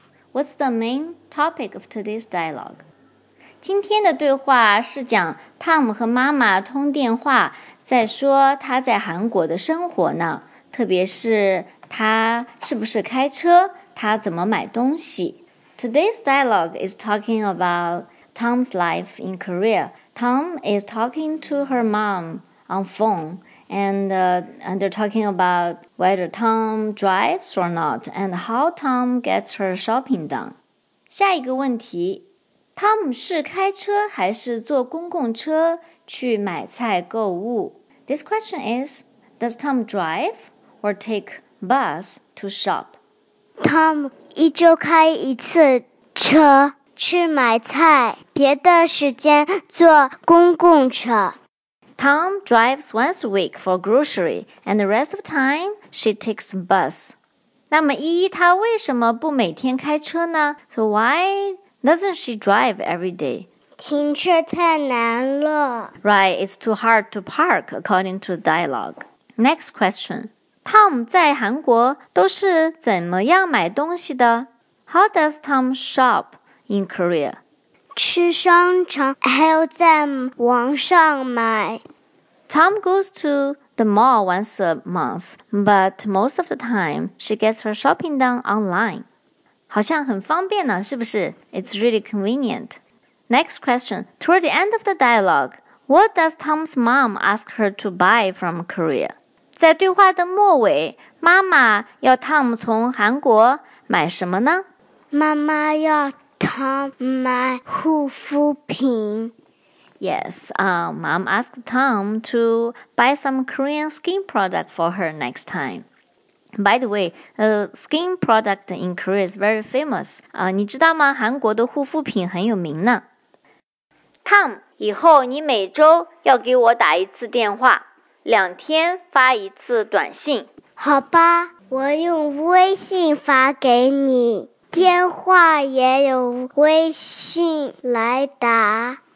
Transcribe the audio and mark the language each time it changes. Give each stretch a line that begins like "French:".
English: What's the main topic of today's dialogue?
Chinese: 今天的对话是讲 Tom 和妈妈通电话，在说他在韩国的生活呢，特别是他是不是开车，他怎么买东西。
English: Today's dialogue is talking about Tom's life in Korea. Tom is talking to her mom on phone. And they're talking about whether Tom drives or not, and how Tom gets her shopping done.
Chinese: 下一个问题， Tom 是开车还是坐公共车去买菜购物？
English: This question is, does Tom drive or take bus to shop?
Chinese: Tom 一周开一次车去买菜，别的时间坐公共车。
English: Tom drives once a week for grocery, and the rest of the time, she takes bus.
Chinese: 那么依依她为什么不每天开车呢？
English: So why doesn't she drive every day?
Chinese: 停车太难了。
English: Right, it's too hard to park, according to the dialogue. Next question.
Chinese: Tom 在韩国都是怎么样买东西的？
English: How does Tom shop in Korea?
Chinese: 去商场还要在网上买。
English: Tom goes to the mall once a month, but most of the time, she gets her shopping done online.
Chinese: 好像很方便呢，是不是？
English: It's really convenient. Next question. Toward the end of the dialogue, what does Tom's mom ask her to buy from Korea?
Chinese: 在对话的末尾，妈妈要 Tom 从韩国买什么呢？妈妈要Tom 买护肤品。
English: Yes, mom asked Tom to buy some Korean skin product for her next time. By the way, skin product in Korea is very famous.
Chinese: 你知道吗？韩国的护肤品很有名呢。 Tom, 以后你每周要给我打一次电话，两天发一次短信。好吧，我用微信发给你。电话也有微信来打。